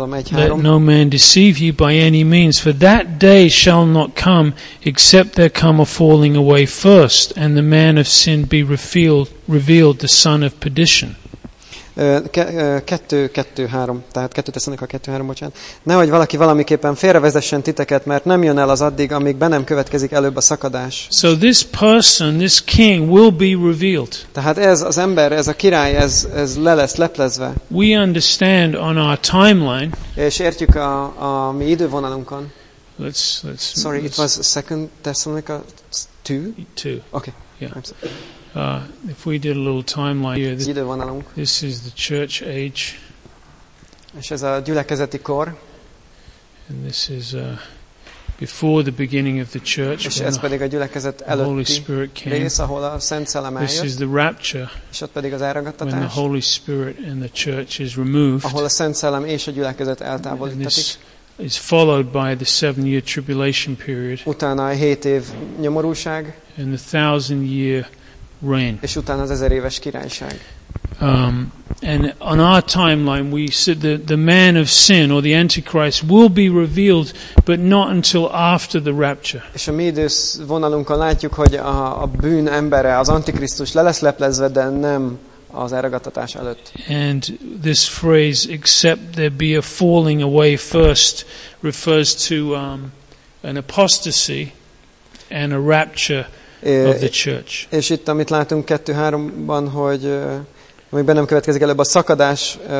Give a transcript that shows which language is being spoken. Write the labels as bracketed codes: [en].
[en] Let no man deceive you by any means, for that day shall not come except there come a falling away first, and the man of sin be revealed the son of perdition. [hu] 2:2-3, tehát 2:2-3, bocsánat. Nehogy valaki valamiképpen félrevezessen titeket, mert nem jön el az addig, amíg be nem következik előbb a szakadás. [en] So this person, this king will be revealed. [hu] Tehát ez az ember, ez a király, ez le lesz leplezve. [en] We understand on our timeline. [hu] És értjük a mi idővonalunkon. [en] It was 2:2? 2. Okay. Yeah. If we did a little timeline here, this is the church age. [hu] És ez a gyülekezeti kor. [en] And this is before the beginning of the church. [hu] És ez pedig a gyülekezet előtti rész, ahol a Szent Szellem eljött. [en] This is the rapture. [hu] És ott pedig az elragadtatás. [en] When the Holy Spirit and the church is removed. [hu] Ahol a Szent Szellem és a gyülekezet eltávolítatik. [en] Is followed by the 7-year tribulation period. [hu] Utána a 7 év nyomorúság. [en] And the 1,000-year reign. [hu] És utána az 1000 éves királyság. [en] And on our timeline we see the man of sin or the antichrist will be revealed, but not until after the rapture. [hu] És a mi idővonalunkon látjuk, hogy a bűn embere, az antikrisztus le lesz leplezve, de nem az elragadtatás előtt. [en] And this phrase except there be a falling away first refers to an apostasy and a rapture of the church. [hu] És itt amit látunk 2:3-ban, hogy még be nem következik előbb a szakadás.